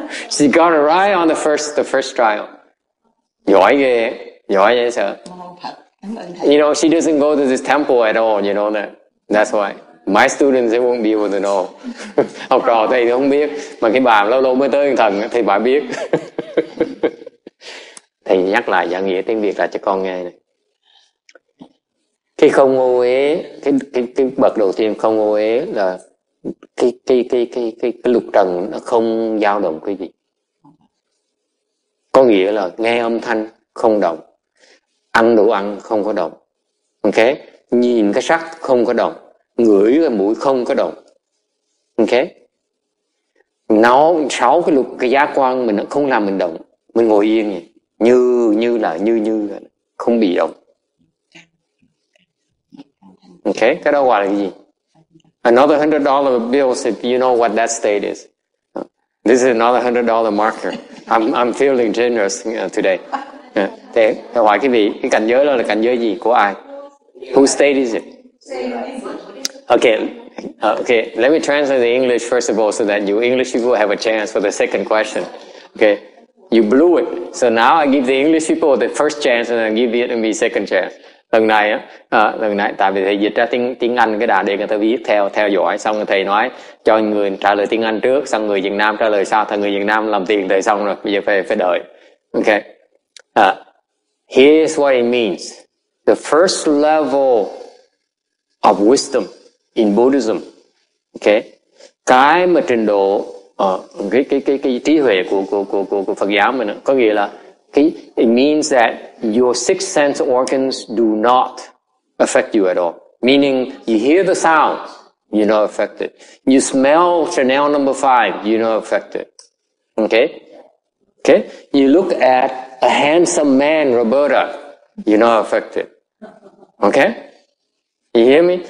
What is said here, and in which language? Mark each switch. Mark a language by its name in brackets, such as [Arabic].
[English] She got it right on the first trial. You know, she doesn't go to this temple at all, you know that. That's why. My students, they won't be able to know. [Vietnamese] Học trò thầy không biết. Mà cái bà lâu lâu mới tới thần, thì bà biết. Thầy nhắc lại giảng nghĩa tiếng Việt lại cho con nghe này. Khi không ô uế, cái bậc đầu tiên không ô uế là cái lục trần nó không dao động quý vị. Có nghĩa là nghe âm thanh không động, ăn đồ ăn không có động, ok, nhìn cái sắc không có động, ngửi cái mũi không có động, ok. Nó sáu cái lục cái giác quan mình nó không làm mình động, mình ngồi yên vậy, như là không bị động. Ok, cái đó gọi là gì? [English] Another $100 bills, if you know what that state is. This is another $100 marker. I'm feeling generous today. [Vietnamese] Thế hỏi quý vị, cái cảnh giới đó là cảnh giới gì của ai? [English] Whose state is it? Okay, let me translate the English first of all so that you English people have a chance for the second question. Okay, you blew it. So now I give the English people the first chance and I give Vietnamese second chance. [Vietnamese] Lần này á, lần này tại vì thầy dịch ra tiếng Anh cái đà để người ta viết theo dõi, xong rồi thầy nói cho người trả lời tiếng Anh trước, xong người Việt Nam trả lời sau, thầy người Việt Nam làm tiền thầy xong rồi, bây giờ phải đợi. [English] Okay. Here's what it means. The first level of wisdom in Buddhism. Okay. [Vietnamese] Cái mà trình độ cái trí huệ của Phật giáo mình có nghĩa là [English] it means that your six sense organs do not affect you at all. Meaning, you hear the sound, you're not affected. You smell Chanel number 5, you're not affected. Okay? Okay? You look at a handsome man, Roberta, you're not affected. Okay? You hear me?